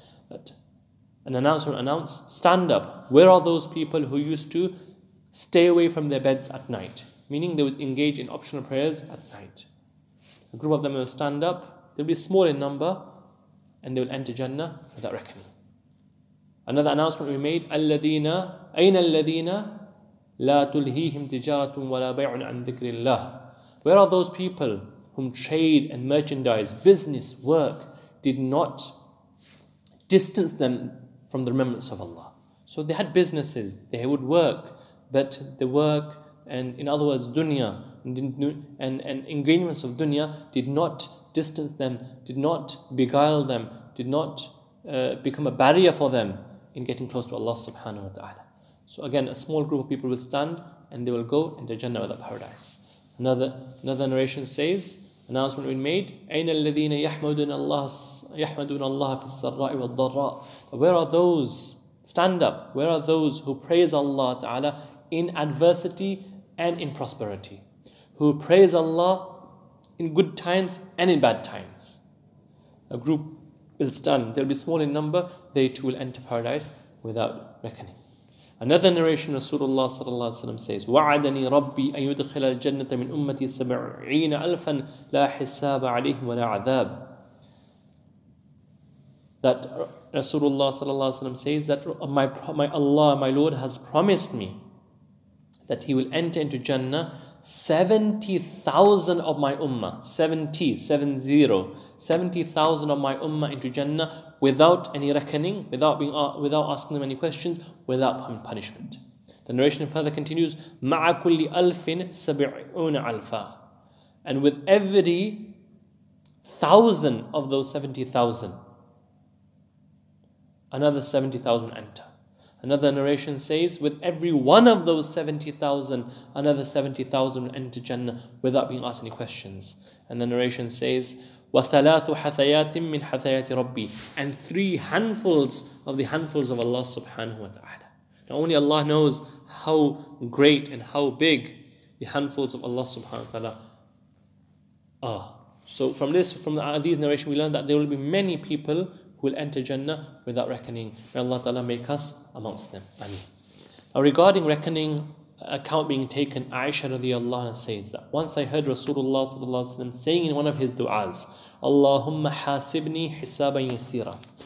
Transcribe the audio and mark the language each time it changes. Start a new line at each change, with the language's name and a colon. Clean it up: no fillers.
English: That an announcement announced, stand up. Where are those people who used to stay away from their beds at night? Meaning they would engage in optional prayers at night. A group of them will stand up, they'll be small in number, and they will enter Jannah without reckoning. Another announcement we made,
Arabic: الَّذِينَ أَيْنَ الَّذِينَ لَا تُلْهِيهِمْ تِجَارَةٌ وَلَا بَيْعٌ عَنْ ذِكْرِ اللَّهِ.
English: Where are those people whom trade and merchandise, business, work, did not distance them from the remembrance of Allah? So they had businesses, they would work, but the work, and in other words, dunya, and engagements of dunya did not distance them, did not beguile them, did not become a barrier for them in getting close to Allah subhanahu wa ta'ala. So again, a small group of people will stand and they will go into Jannah without paradise. Another narration says, announcement we made,
Arabic: أَيْنَ الَّذِينَ يَحْمَدُونَ اللَّهَ فِي السَّرَّاءِ وَالضَّرَّاءِ.
English: Where are those, stand up, where are those who praise Allah ta'ala in adversity and in prosperity, who praise Allah in good times and in bad times? A group will stand, they'll be small in number, they too will enter paradise without reckoning. Another narration,
Arabic: Rasulullah sallallahu alaihi wasallam says, وَعَدَنِي رَبِّي أَن يُدْخِلَ الْجَنَّةَ مِنْ أُمَّتِي 70,000 لَا حِسَابَ عَلَيْهِمْ وَلَا عَذَابٍ.
English: That Rasulullah sallallahu alaihi wasallam says that my Lord has promised me that he will enter into Jannah 70,000 of my ummah, 70,000 of my ummah into Jannah without any reckoning, without asking them any questions, without punishment. The narration further continues,
Arabic: مَعَ كُلِّ أَلْفٍ سَبِعُونَ أَلْفًا.
English: And with every thousand of those 70,000, another 70,000 enter. Another narration says, with every one of those 70,000, another 70,000 enter Jannah without being asked any questions. And the narration says,
Arabic: وَثَلَاثُ حَثَيَاتٍ مِّنْ حَثَيَاتِ رَبِّي.
English: And three handfuls of the handfuls of Allah subhanahu wa ta'ala. Now only Allah knows how great and how big the handfuls of Allah subhanahu wa ta'ala are. So from this, from these narration, we learn that there will be many people will enter Jannah without reckoning. May Allah Ta'ala make us amongst them. Ameen. Now regarding reckoning account being taken, Aisha radiallahu anha says that once I heard Rasulullah sallallahu alaihi wasallam saying in one of his du'as,
Arabic: Allahumma hasibni hisaban yasira.